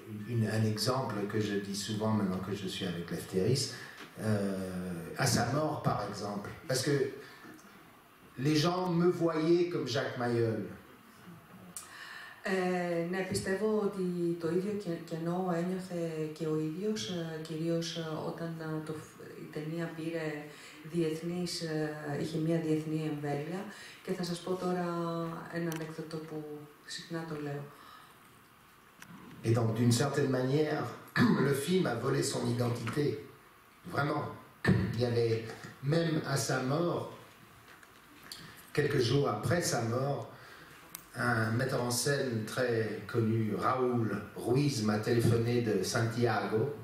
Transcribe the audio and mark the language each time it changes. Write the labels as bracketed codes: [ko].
[fr] Un exemple que je dis souvent maintenant que je suis avec l'Astéris, à sa mort par exemple, parce que les gens me voyaient comme Jacques Maillol. [el] Ναι, πιστεύω ότι το ίδιο κενό ένιωθε και ο ίδιος, κυρίως όταν η ταινία πήρε διεθνής, είχε μια διεθνή εμβέλεια. Και θα σας πω τώρα έναν έκδοτο που συχνά το λέω. [fr] Et donc, d'une certaine manière, le film a volé son identité. Vraiment, il y avait, même à sa mort, quelques jours après sa mort, un metteur en scène très connu, Raoul Ruiz, m'a téléphoné de Santiago.